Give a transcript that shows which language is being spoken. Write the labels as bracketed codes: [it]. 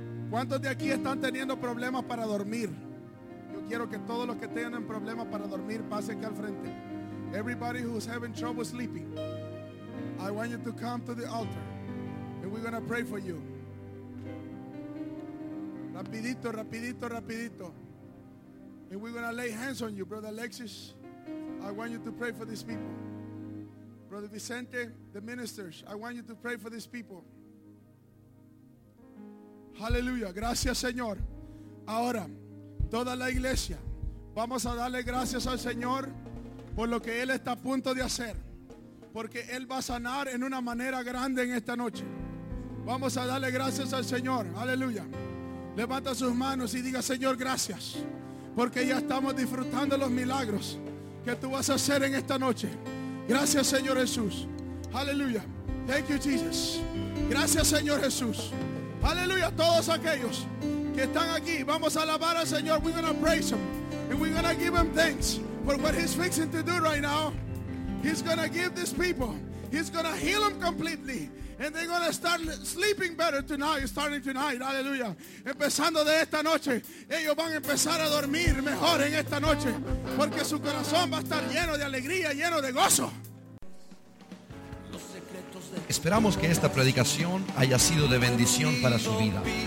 [es] ¿Cuántos de aquí están teniendo problemas para dormir? Yo quiero que todos los que tengan problemas para dormir pasen aquí al frente. [en] Everybody who's having trouble sleeping, I want you to come to the altar and we're going to pray for you. [es] Rapidito, rapidito, rapidito. [en] And we're going to lay hands on you, Brother Alexis. I want you to pray for these people. Brother Vicente, the ministers, I want you to pray for these people. [es] Hallelujah. Gracias, Señor. Ahora, toda la iglesia, vamos a darle gracias al Señor por lo que Él está a punto de hacer. Porque Él va a sanar en una manera grande en esta noche. Vamos a darle gracias al Señor. Aleluya. Levanta sus manos y diga, Señor, gracias. Porque ya estamos disfrutando los milagros que tú vas a hacer en esta noche. Gracias, Señor Jesús. Aleluya. [en] Thank you, Jesus. [es] Gracias, Señor Jesús. Aleluya. Todos aquellos que están aquí, vamos a alabar al Señor. [en] We're going to praise Him. And we're going to give Him thanks for what He's fixing to do right now. He's going to give these people. He's going to heal them completely. And they're going to start sleeping better tonight, starting tonight. Hallelujah. [es] Empezando de esta noche, ellos van a empezar a dormir mejor en esta noche. Porque su corazón va a estar lleno de alegría, lleno de gozo. Esperamos que esta predicación haya sido de bendición para su vida.